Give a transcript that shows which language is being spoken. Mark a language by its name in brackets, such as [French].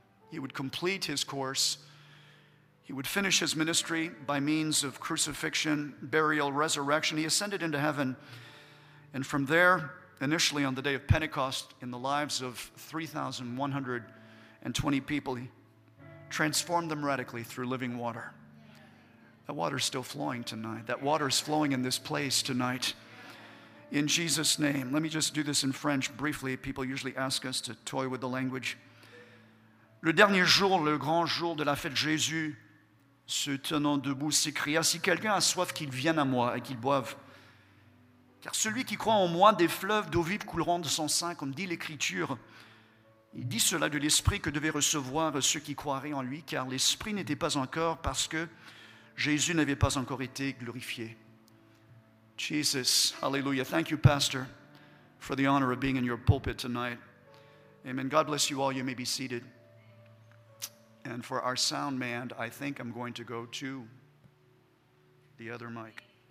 [English] He would complete his course. He would finish his ministry by means of crucifixion, burial, resurrection. He ascended into heaven, and from there, initially on the day of Pentecost, in the lives of 3,120 people, he transformed them radically through living water. That water is still flowing tonight. That water is flowing in this place tonight. In Jesus' name, let me just do this in French briefly. People usually ask us to toy with the language. [French] Le dernier jour, le grand jour de la fête, Jésus, se tenant debout, s'écria, si quelqu'un a soif, qu'il vienne à moi et qu'il boive. Car celui qui croit en moi, des fleuves d'eau vive couleront de son sein, comme dit l'Écriture. Il dit cela de l'Esprit que devaient recevoir ceux qui croiraient en lui, car l'Esprit n'était pas encore, parce que Jésus n'avait pas encore été glorifié. [English] Jesus, hallelujah. Thank you, Pastor, for the honor of being in your pulpit tonight. Amen. God bless you all. You may be seated. And for our sound man, I think I'm going to go to the other mic.